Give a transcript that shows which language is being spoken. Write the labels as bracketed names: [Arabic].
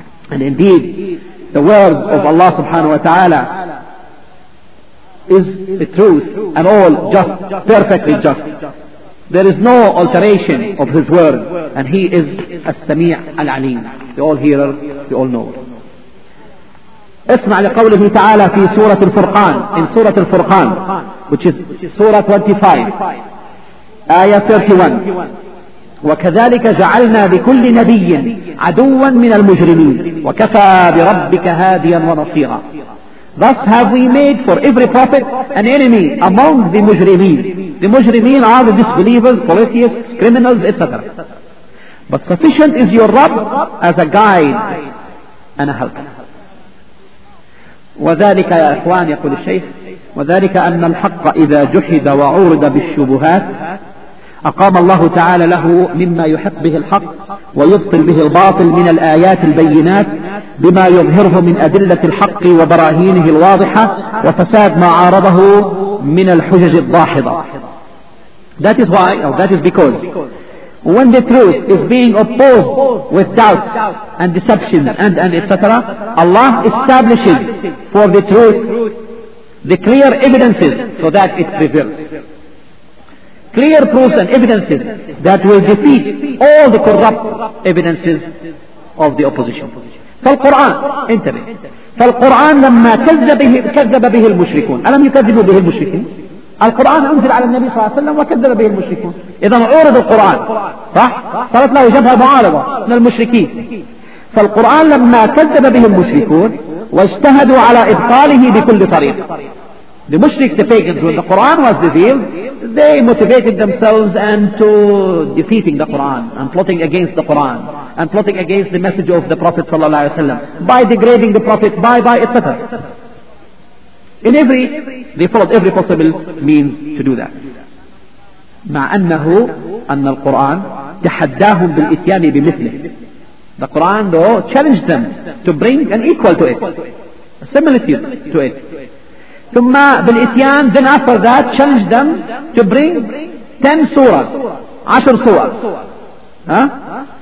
[English] And indeed, the word of Allah subhanahu wa ta'ala is the truth and all just, perfectly just. There is no alteration of His word, and He is As-Sami' Al-Aleem, the All-Hearer, the All-Knower. [Arabic] اسمع لقوله تعالى في سورة الفرقان in سورة الفرقان which is سورة 25 آية 31 وكذلك جعلنا لكل نبي عدوا من المجرمين وكفى بربك هاديا ونصيرا. [English] Thus have we made for every prophet an enemy among the مجرمين. The مجرمين are the disbelievers, polytheists, criminals, etc. But sufficient is your Rabb as a guide and a helper. [Arabic] وذلك يا إخوان يقول الشيخ وذلك أن الحق إذا جحد وعورد بالشبهات أقام الله تعالى له مما يحق به الحق ويبطل به الباطل من الآيات البينات بما يظهره من أدلة الحق وبراهينه الواضحة وفساد ما عارضه من الحجج الضاحضة. [English] That is why, or that is because, when the truth is being opposed with doubts and deception and etc., Allah establishes for the truth the clear evidences so that it prevails. Clear proofs and evidences that will defeat all the corrupt evidences of the opposition. [Arabic] فالقرآن انتبه فالقرآن لما كذب به المشركون ألم يكذبوا به المشركون؟ القرآن أنزل على النبي صلى الله عليه وسلم وكذب به المشركون. إذا عرض القرآن صح؟ صارت له جبهة معارضة من المشركين. فالقرآن لما كذب به المشركون واجتهدوا على إبطاله بكل طريق. [English] The mushriks, the pagans, when the Quran was revealed, they motivated themselves and to defeating the Quran and plotting against the Quran and plotting against the message of the Prophet صلى الله عليه وسلم by degrading the Prophet, by etc. They followed every possible means to do that. [Arabic] مع أنه أن القرآن تحداهم بالإتيان بمثله. [English] The Quran though challenged them to bring an equal to it, a similitude to it. [Arabic] ثم بالإتيان, [English] then after that challenged them to bring 10 surahs, 10 surahs.